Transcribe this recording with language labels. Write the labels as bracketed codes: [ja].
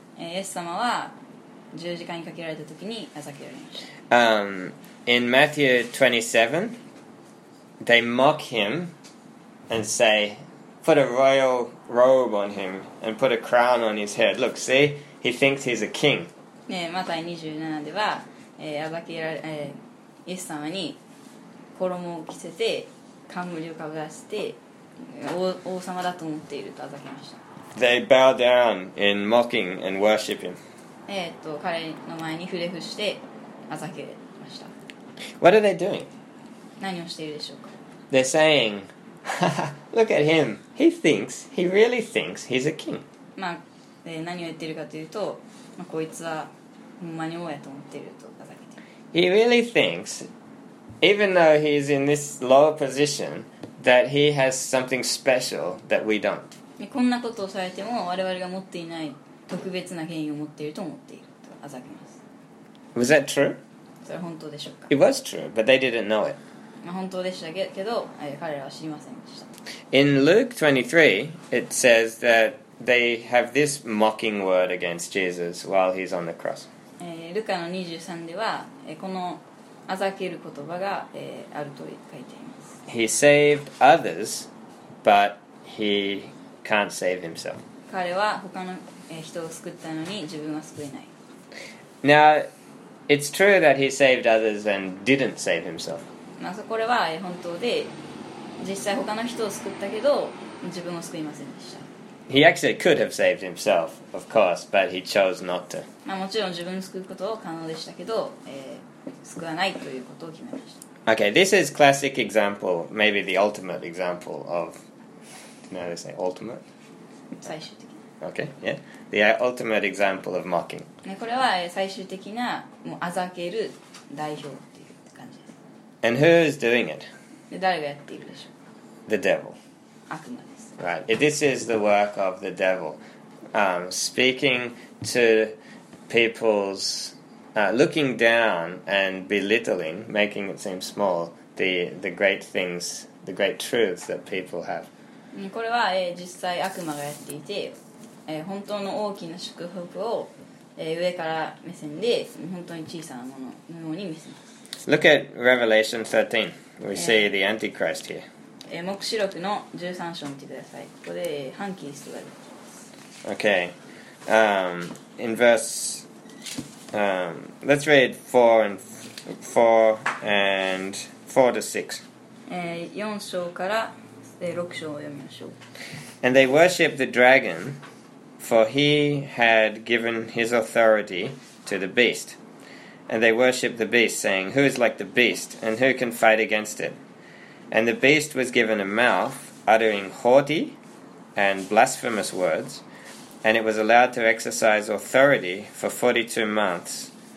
[ja] イエス様は十字架にかけられた時に嘲けられました。 [en] In Matthew 27, they mock him and say, put a royal robe on him and put a crown on his head. Look, see, he thinks he's a king. [ja] ね、マタイ27では、嘲けられ、イエス様に衣を着せて冠をかぶらせて 王様だと思っていると嘲けました。 [en] They bow down in mocking and worship him. [ja] 彼の前に触れ伏して嘲けました。 [en] What are they doing? [ja] 何をしているでしょうか? [en] They're saying, look at him. He thinks, he really thinks he's a king. [ja] まあ、何を言っているかというと、まあ、こいつはほんまに王やと思っていると嘲けている。 [en] He really thinks, even though he's in this lower position, that he has something special that we don't. [ja] こんなことをされても我々が持っていない特別な権威を持っていると思っているとあざけます。 [en] Was that true? [ja] それ本当でしょうか? [en] It was true, but they didn't know it. [ja] 本当でしたけど、彼らは知りませんでした。 [en] In Luke 23, it says that they have this mocking word against Jesus while he's on the cross. [ja] ルカの23では、このあざける言葉が、あると書いています。 [en] He saved others, but he can't save himself. [ja] 彼は他の人を救ったのに自分は救えない。 [en] Now, it's true that he saved others and didn't save himself. [ja] まあ、これは本当で、実際他の人を救ったけど、自分を救いませんでした。 [en] He actually could have saved himself, of course, but he chose not to. [ja] まあ、もちろん自分を救うことを可能でしたけど、救わないということを決めました。 [en] Okay, this is classic example, maybe the ultimate example of, do you know how to say ultimate? [ja] 最終的。 [en] Okay, yeah. The ultimate example of mocking. [ja] これは最終的な、もうあざける代表っていう感じです。 [en] And who is doing it? [ja] で、誰がやっているでしょう? [en] The devil. [ja] 悪魔です。 [en] Right, this is the work of the devil. Speaking to people's, looking down and belittling, making it seem small, the great things, the great truths that people have. [ja] これは、実際悪魔がやっていて、本当の大きな祝福を、上から目線で本当に小さなもののように見せます。 [en] Look at Revelation 13. We see the Antichrist here. [ja] 黙示録の13章を見てください。ここで反キリストが出てきます。 [en] Okay. In verse... let's read 4 to 6. [ja] 4章から6章を読みましょう。 [en] And they worship the dragon... For he had given his authority to the beast. And they worshipped the beast, saying, Who is like the beast, and who can fight against it? And the beast was given a mouth, uttering haughty and blasphemous words, and it was allowed to exercise authority for 42 months.